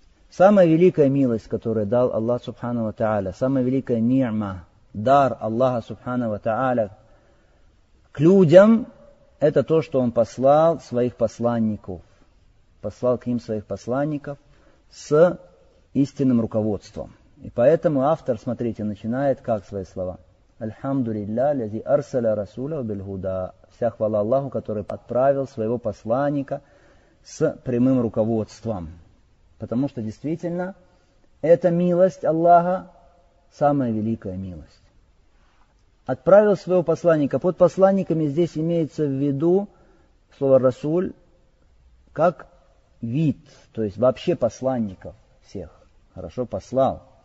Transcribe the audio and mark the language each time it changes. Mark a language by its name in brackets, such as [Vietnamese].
[Russian] Самая великая милость, которую дал Аллах Субхану ва Тааля, самая великая ни'ма, дар Аллаха Субхану ва Тааля к людям – это то, что Он послал своих посланников. Послал к ним своих посланников с истинным руководством. И поэтому автор, смотрите, начинает как свои слова. [Arabic] الحمد لله الذي أرسل رسوله بالهدى. [Russian] Вся хвала Аллаху, который отправил своего посланника с прямым руководством. Потому что действительно, эта милость Аллаха самая великая милость. Отправил своего посланника. Под посланниками здесь имеется в виду слово «расуль» как вид, то есть вообще посланников всех. Хорошо, послал.